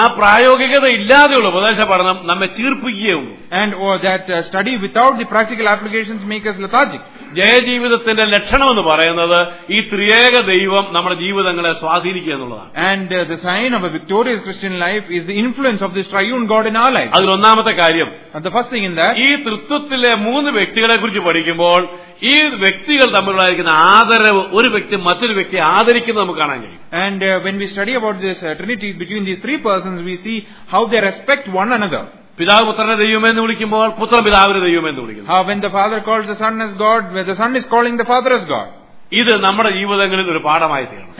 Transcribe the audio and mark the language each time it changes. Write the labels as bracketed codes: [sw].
[ml] ആ പ്രായോഗികത ഇല്ലാതെയുള്ള ഉപദേശ പഠനം നമ്മെ ചീർപ്പിക്കുകയുള്ളൂ. [en] And that study without the practical applications make us lethargic. [ml] ജയജീവിതത്തിന്റെ ലക്ഷണം എന്ന് പറയുന്നത് ഈ ത്രിയേക ദൈവം നമ്മുടെ ജീവിതങ്ങളെ സ്വാധീനിക്കുക എന്നുള്ളതാണ്. [en] And the sign of a victorious Christian life is the influence of this triune God in our life. [ml] അതിലൊന്നാമത്തെ കാര്യം, [en] the first thing in that, [ml] ഈ ത്രിത്വത്തിലെ മൂന്ന് വ്യക്തികളെ കുറിച്ച് പഠിക്കുമ്പോൾ ഈ വ്യക്തികൾ തമ്മിലുള്ളായിരിക്കുന്ന ആദരവ്, ഒരു വ്യക്തി മറ്റൊരു വ്യക്തിയെ ആദരിക്കുന്നത് നമുക്ക് കാണാൻ കഴിയും. [en] And when we study about this Trinity between these three persons, we see how they respect one another. [ml] പിതാവ് പുത്രനെ ദൈവമെന്ന് വിളിക്കുമ്പോൾ പുത്രൻ പിതാവിനെ ദൈവമെന്ന് വിളിക്കുന്നു. [en] How when the father calls the son as God, when the son is calling the father as God. [ml] ഇത് നമ്മുടെ ജീവിതങ്ങളിൽ ഒരു പാഠമായി തീരണം.